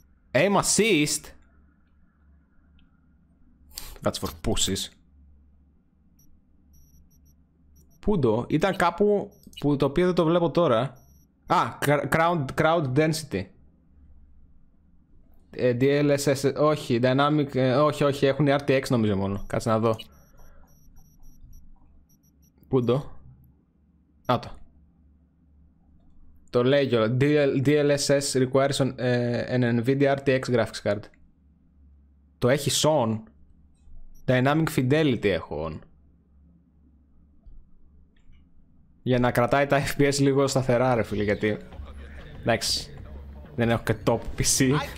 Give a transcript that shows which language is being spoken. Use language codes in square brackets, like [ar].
[en] aim assist. That's for pussies. [el] Πού το, ήταν κάπου που το οποίο δεν το βλέπω τώρα. Α, crowd density. DLSS, όχι, dynamic, όχι, όχι, έχουν RTX νομίζω μόνο. Κάτσε να δω. Πού το. Α, το. Το λέει κιόλα. [en] DLSS requires an NVIDIA RTX graphics card. [el] Το έχει on. Dynamic fidelity έχω on. Για να κρατάει τα FPS λίγο σταθερά, ρε φίλε, γιατί. Εντάξει. Δεν έχω και top PC.